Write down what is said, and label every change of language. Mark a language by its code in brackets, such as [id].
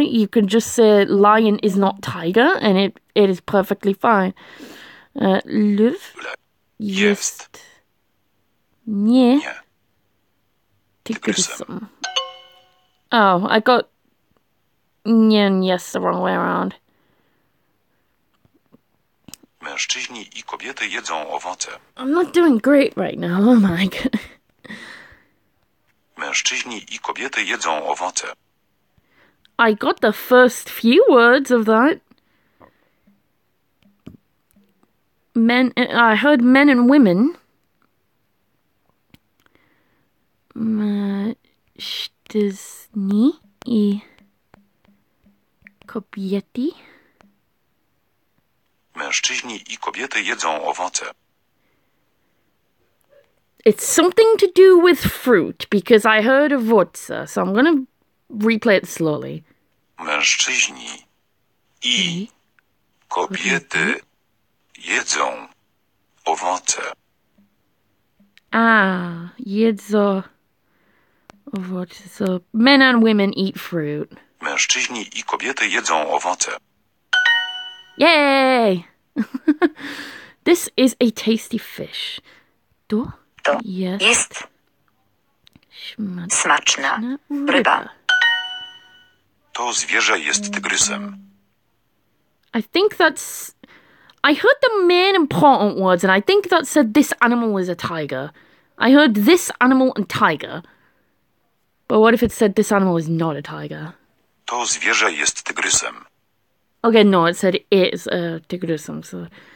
[en] You can just say lion is not tiger, and it is perfectly fine. [pl] Lwów? Jest. Nie. Nie. Tygrysem. [en] Oh, I got nie and yes the wrong way around. [pl] Mężczyźni I kobiety jedzą owoce. [en] I'm not doing great right now, am I? [pl] Mężczyźni I kobiety jedzą owoce. [en] I got the first few words of that. Men, I heard men and women. [pl] Mężczyźni I kobiety. Mężczyźni I kobiety jedzą owoce. [en] It's something to do with fruit, because I heard owoce, so I'm gonna replay it slowly. [pl] Mężczyźni I kobiety jedzą owoce. Ah, jedzą owoce. [en] So men and women eat fruit. [pl] Mężczyźni I kobiety jedzą owoce. [en] Yay! This is a tasty fish. To? [pl] To jest smaczna ryba. To zwierzę jest tygrysem. [en] I think that's... I heard the main important words, and I think that said this animal is a tiger. I heard this animal and tiger. But what if it said this animal is not a tiger? [pl] To zwierzę jest tygrysem. [en] Okay, no, it said it's a tygrysem, so...